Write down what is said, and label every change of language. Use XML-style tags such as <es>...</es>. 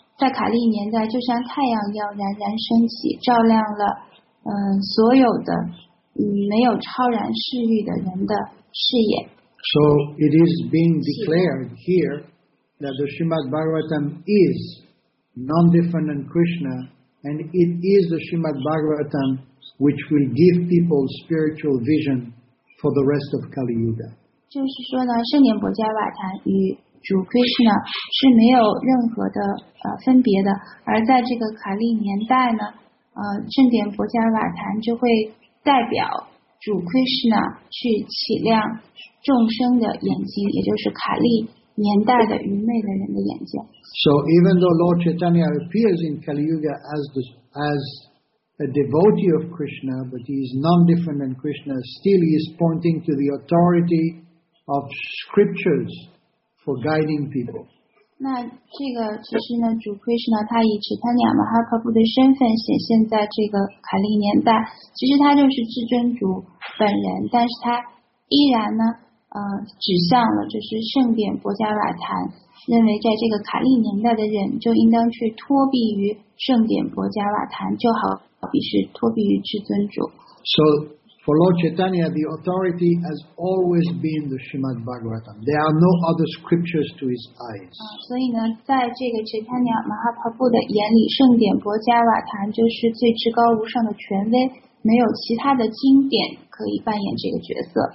<zh>在卡利年代，就像太阳一样冉冉升起，照亮了，所有的，没有超然视域的人的视野。</zh> <en>So it is being declared here that the Srimad Bhagavatam is non-different than Krishna, and it is the Srimad Bhagavatam which will give people spiritual vision for the rest of Kali Yuga.</en> <zh>就是说呢，圣典博加瓦坛与主 Krishna 是没有任何的分别的，而在这个卡利年代呢，圣典博加瓦坛就会代表主 Krishna 去启亮众生的眼睛，也就是卡利年代的愚昧的人的眼睛。</zh> <en>So even though Lord Chaitanya appears in Kali Yuga as a devotee of Krishna, but he is non-different than Krishna, still he is pointing to the authority of scriptures. For guiding people.</en> <zh>那这个其实呢，主 Krishna 他以其他两马哈帕布的身份显现在这个卡利年代，其实他就是至尊主本人，但是他依然呢，指向了就是圣典博加瓦坛，认为在这个卡利年代的人就应当去托庇于圣典博加瓦坛，就好比是托庇于至尊主。</zh> <en>So. For Lord Chaitanya, the authority has always been the Srimad Bhagavatam. There are no other scriptures to his eyes.</en> <zh>所以呢，在这个 Chaitanya Mahaprabhu 的眼里，圣典博加瓦坛就是最至高无上的权威，没有其他的经典可以扮演这个角色。</zh>